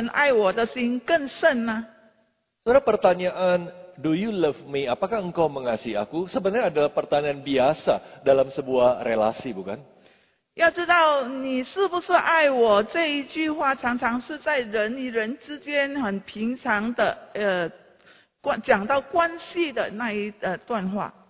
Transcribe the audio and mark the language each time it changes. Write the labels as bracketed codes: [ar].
[zh] 主耶稣的意思是说，彼得啊，你爱我的心呢，是不是比这个其他门徒们爱我的心更深呢？ [id] Saudara, pertanyaan [en] Do you love me? [id] Apakah engkau mengasihi aku? Sebenarnya adalah pertanyaan biasa dalam sebuah relasi, bukan? [zh] 要知道你是不是爱我这一句话，常常是在人与人之间很平常的，讲到关系的那一段话。